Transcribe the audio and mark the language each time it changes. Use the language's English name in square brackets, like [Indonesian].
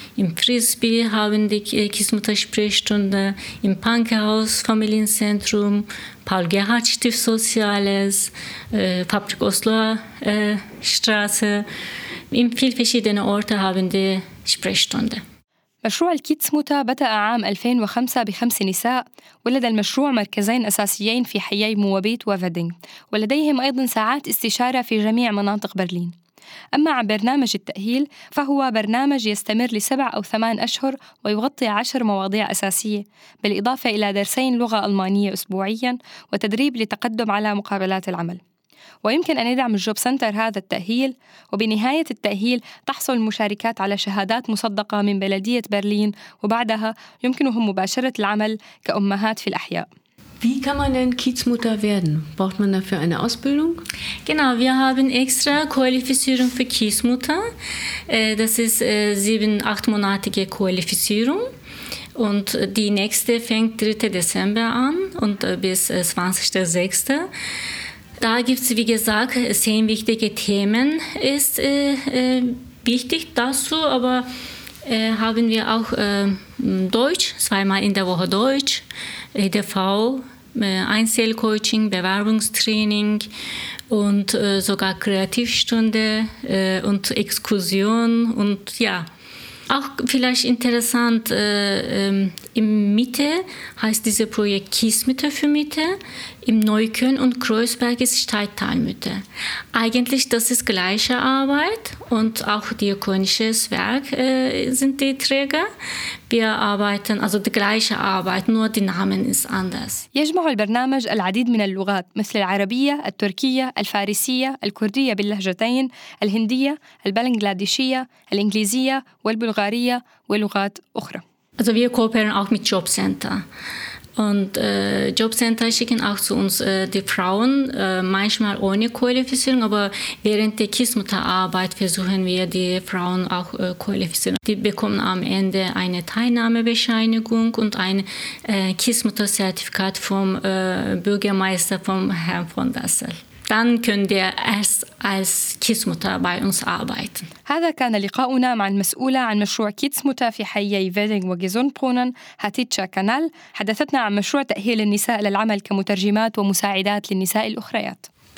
[German] Im Frisbee haben die Kiezmütter Sprechstunde, im Pankehaus Familienzentrum, Paul-Gerhardt-Stift Soziales, Fabrik Osloer Straße. In vielen verschiedenen Orten haben die Sprechstunde. [Arabic] مشروع الكيتسموتا بدأ عام 2005 بخمس نساء ولدى المشروع مركزين أساسيين في حيي موابيت وفدينغ ولديهم أيضا ساعات استشارة في جميع مناطق برلين أما عن برنامج التأهيل فهو برنامج يستمر لسبع أو ثمان أشهر ويغطي 10 مواضيع أساسية بالإضافة إلى درسين لغة ألمانية أسبوعيا وتدريب لتقدم على مقابلات العمل ويمكن أن يدعم الجوب سنتر هذا التأهيل وبنهاية التأهيل تحصل المشاركات على شهادات مصدقة من بلدية برلين وبعدها يمكنهم مباشرة العمل كأمهات في الأحياء. [German] Wie kann man denn Kiezmutter werden? Braucht man dafür eine Ausbildung? Genau, wir haben extra Qualifizierung für Kiezmutter. Das ist 7-8-monatige Qualifizierung. Und die nächste fängt 3. Dezember an und bis 20.06. Da gibt es, wie gesagt, 10 wichtige Themen ist wichtig dazu, aber haben wir auch Deutsch, 2-mal in der Woche Deutsch, EDV, Einzelcoaching, Bewerbungstraining und sogar Kreativstunde und Exkursion und ja, Auch vielleicht interessant, in Mitte heißt dieses Projekt Kiesmütter für Mitte. Im Neukölln und Kreuzberg ist Steigtalmütter. Eigentlich das ist gleiche Arbeit und auch diakonisches Werk sind die Träger. Wir arbeiten also die gleiche Arbeit, nur der Name ist anders. [Arabic] يجمع البرنامج العديد من اللغات مثل العربية, التركية, الفارسية, الكردية باللهجتين, الهندية, البنغلاديشية, الإنجليزية والبلغارية ولغات أخرى. [German] Also wir kooperieren auch mit Jobcenter. Und Jobcenter schicken auch zu uns die Frauen, manchmal ohne Qualifizierung, aber während der Kiesmutterarbeit versuchen wir die Frauen auch qualifizieren. Die bekommen am Ende eine Teilnahmebescheinigung und ein Kiesmutterzertifikat vom Bürgermeister, vom Herrn von Dassel. Dann können die erst als Kiesmutter bei uns arbeiten. [Arabic] هذا كان لقاؤنا مع المسؤولة عن مشروع كيتسموتر في حي فيدينغ وجيزونبرونن هاتيتشا كانال. حدثتنا عن مشروع تأهيل النساء للعمل كمترجمات ومساعدات للنساء الأخريات.